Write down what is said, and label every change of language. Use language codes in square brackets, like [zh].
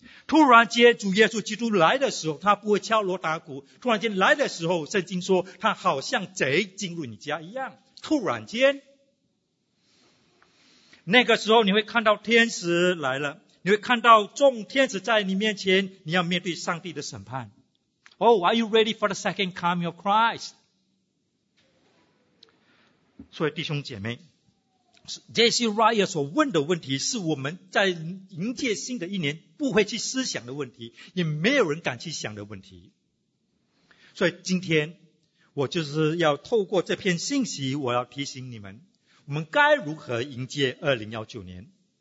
[zh] 突然间主耶稣基督来的时候，他不会敲锣打鼓，突然间来的时候，圣经说他好像贼进入你家一样。突然间那个时候你会看到天使来了，你会看到众天使在你面前，你要面对上帝的审判。 [en] Oh, are you ready for the second coming of Christ? [zh] 所以弟兄姐妹，这些 Raya 所问的问题是我们在迎接新的一年不会去思想的问题，也没有人敢去想的问题。所以今天我就是要透过这篇信息，我要提醒你们，我们该如何迎接2019年。